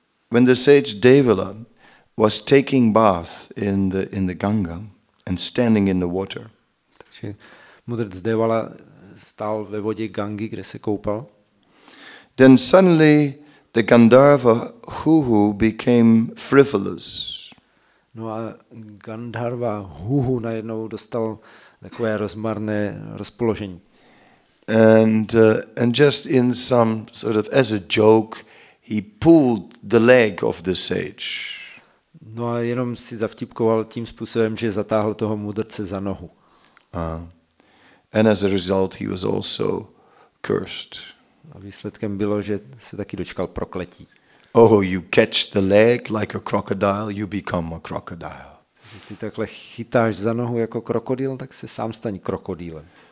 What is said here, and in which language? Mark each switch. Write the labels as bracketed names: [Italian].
[English] When the sage Devala was taking bath in the Ganga and standing in the water. [Czech] Takže mudrc Devala stál ve vodě Gangy, kde se koupal. [English] Then suddenly the Gandharva Huhu became frivolous. [Czech] No a Gandharva Huhu najednou dostal takové rozmarné rozpoložení. [English] And just in some sort of as a joke, he pulled the leg of the sage. [Czech] No a jenom si zavtipkoval tím způsobem, že zatáhl toho mudrce za nohu. [English] And as a result, he was also cursed. [Czech] A výsledkem bylo, že se taky dočkal prokletí. [English] Oh, you catch the leg like a crocodile, you become a crocodile. [Czech] Když ty takhle chytáš za nohu jako krokodýl, tak se sám staň krokodýlem.